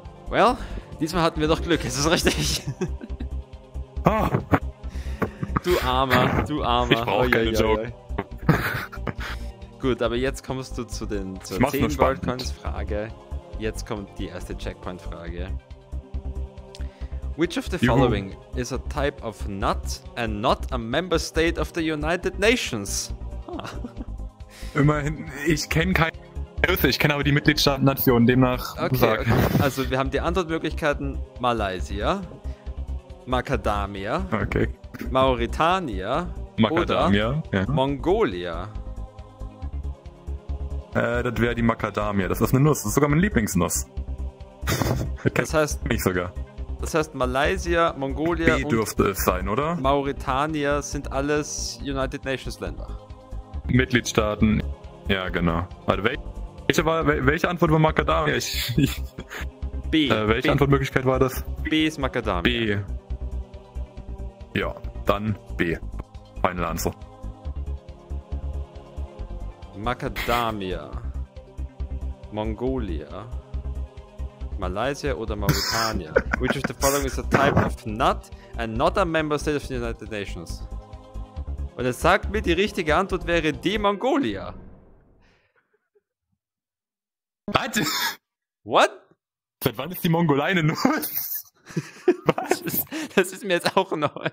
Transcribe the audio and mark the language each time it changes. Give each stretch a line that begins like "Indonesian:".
German: Well, diesmal hatten wir doch Glück, ist das richtig? Du Armer. Ich brauche keine Joke. Gut, aber jetzt kommst du zu den zur 10 Worldcoins-Frage. Jetzt kommt die erste Checkpoint-Frage.
English: Which of the following is a type of nut and not a member state of the United Nations? Huh.
German: Immerhin, ich kenne keine Hilfe, ich kenne aber die Mitgliedstaaten-Nationen, demnach okay. Also wir haben die Antwortmöglichkeiten Malaysia, Macadamia, Mauritania, Macadamia, oder Mongolia. Das wäre die Macadamia, das ist eine Nuss, das ist sogar meine Lieblingsnuss. Das heißt, Malaysia, Mongolia B dürfte und es sein, oder? Mauritania sind alles United Nations Länder. Mitgliedstaaten, ja genau. Warte, welche Antwort war Macadamia? Welche Antwortmöglichkeit war das? B ist Macadamia. B. Ja, dann B. Final answer. Macadamia, Mongolia, Malaysia oder Mauritania?
English: Which of the following is a type of nut and not a member state of the United Nations?
German: Und es sagt mir, die richtige Antwort wäre D, Mongolia.
English: What? What?
German: Seit wann ist die Mongolei eine Nuss? Was? Das ist mir jetzt auch neu.